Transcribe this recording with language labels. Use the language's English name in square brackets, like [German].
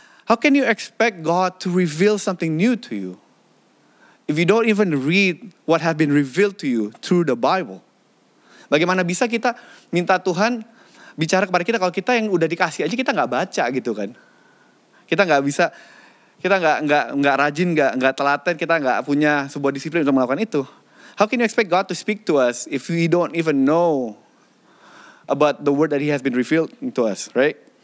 [English] How can you expect God to reveal something new to you if you don't even read what has been revealed to you through the Bible? [Indonesian] Bagaimana bisa kita minta Tuhan bicara kepada kita kalau kita yang udah dikasih aja kita nggak baca gitu kan? Kita nggak bisa, kita nggak rajin, nggak telaten, kita nggak punya sebuah disiplin untuk melakukan itu. [English] How can you expect God to speak to us if we don't even know about the word that he has been revealed to us, right?